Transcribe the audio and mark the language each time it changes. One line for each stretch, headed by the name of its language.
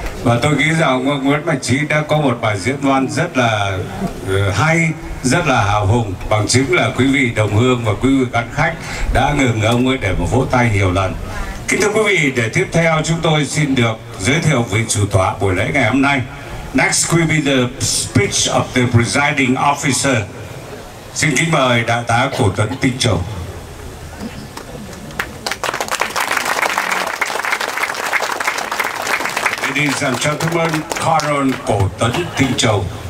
Vietnamese: Và tôi nghĩ rằng ông Nguyễn Mạnh Chí đã có một bài diễn văn rất là hay, rất là hào hùng. Bằng chứng là quý vị đồng hương và quý vị khán khách đã ngừng ông ấy để một vỗ tay nhiều lần. Kính thưa quý vị, để tiếp theo chúng tôi xin được giới thiệu vị chủ tọa buổi lễ ngày hôm nay.
English: Next will be the speech of the presiding officer.
Vietnamese: Xin kính mời Đại tá Cổ Tuấn Tinh Châu.
English: Ladies and gentlemen, Colonel Cổ Tấn Tinh Châu.